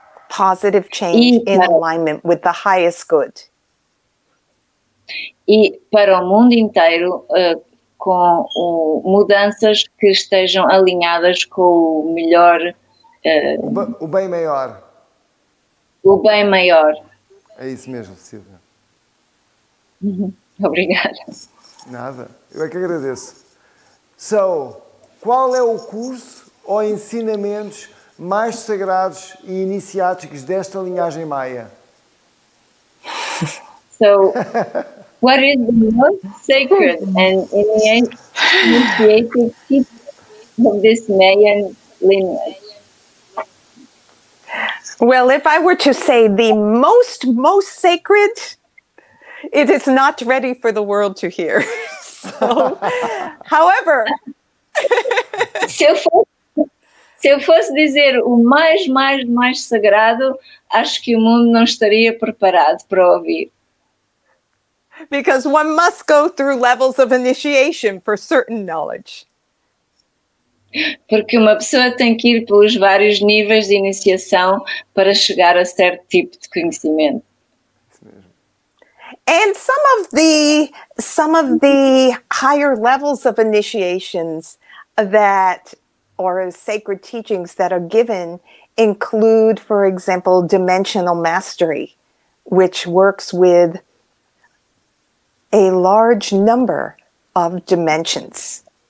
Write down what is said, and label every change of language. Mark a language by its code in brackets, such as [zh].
[en] Positive change in alignment with the highest good. [pt] E para o mundo inteiro, com mudanças que estejam alinhadas com o melhor. O bem maior. O bem maior. É isso mesmo, Silvia. Obrigada. Nada, eu é que agradeço. So, qual é o curso ou ensinamentos mais sagrados e iniciáticos desta linhagem maia? [en] So, what is the most sacred and initiated of this Mayan lineage? Well, if I were to say the most sacred, it is not ready for the world to hear. So, however, [pt] se eu fosse dizer o mais sagrado, acho que o mundo não estaria preparado para ouvir. [en] Because one must go through levels of initiation for certain knowledge. [pt] Porque uma pessoa tem que ir pelos vários níveis de iniciação para chegar a certo tipo de conhecimento. [en] And some of the higher levels of initiations that or sacred teachings that are given include, for example, dimensional mastery, which works with a large number of dimensions.